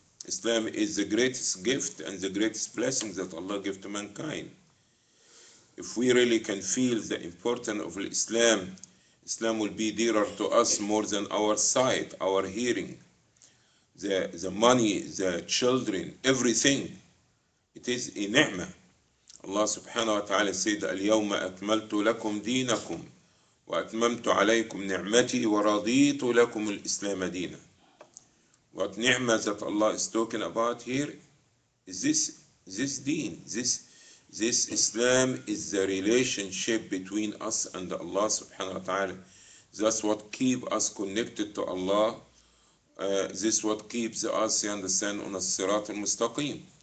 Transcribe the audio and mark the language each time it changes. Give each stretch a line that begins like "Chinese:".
English: Islam is the greatest gift and the greatest blessing that Allah gives to mankind. If we really can feel the importance of Islam, Islam will be dearer to us more than our sight, our hearing, the money, the children, everything. It is a ni'mah. Allah subhanahu wa ta'ala said,
Arabic: اليوم أكملت لكم دينكم وأتممت عليكم نعمتي ورضيت لكم الإسلام دينا.
English: What ni'mas of Allah is talking about here is this deen, this Islam is the relationship between us and Allah subhanahu wa ta'ala. That's what keep us connected to Allah. This what keeps us, you understand, on the sirat al-mustaqim.